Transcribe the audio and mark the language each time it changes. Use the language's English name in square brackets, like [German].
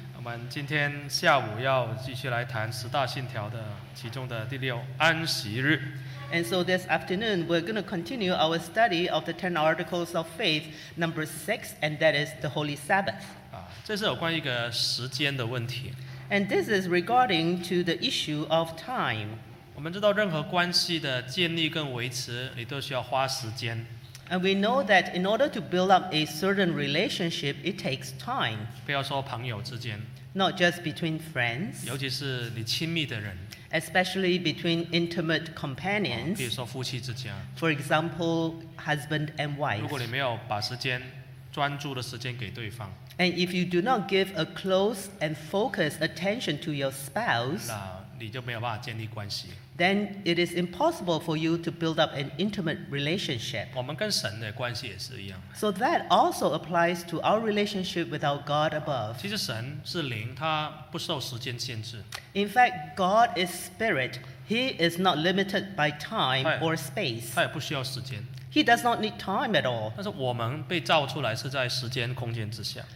[Chinese] 我们今天下午要继续来谈十大信条的其中的第六安息日. [English] And so this afternoon, we're going to continue our study of the 10 articles of faith, number 6, and that is the Holy Sabbath. [Chinese] 这是有关于一个时间的问题. [English] And this is regarding to the issue of time. [Chinese] 我们知道任何关系的建立跟维持，你都需要花时间. [English] And we know that in order to build up a certain relationship, it takes time. [Chinese] 不要说朋友之间, [English] not just between friends, [Chinese] 尤其是你亲密的人, [English] especially between intimate companions, [Chinese] 比如说夫妻之家, [English] for example, husband and wife. [Chinese] 如果你没有把时间, 专注的时间给对方, [English] and if you do not give a close and focused attention to your spouse, [Chinese] 那你就没有办法建立关系。 [English] Then it is impossible for you to build up an intimate relationship. [Chinese] 我们跟神的关系也是一样。 [English] So that also applies to our relationship with our God above. [Chinese] 其实神是灵, 祂不受时间限制。 [English] In fact, God is spirit. He is not limited by time or space. [Chinese] 祂也不需要时间。 [English] He does not need time at all. [Chinese] 但是我们被造出来是在时间空间之下。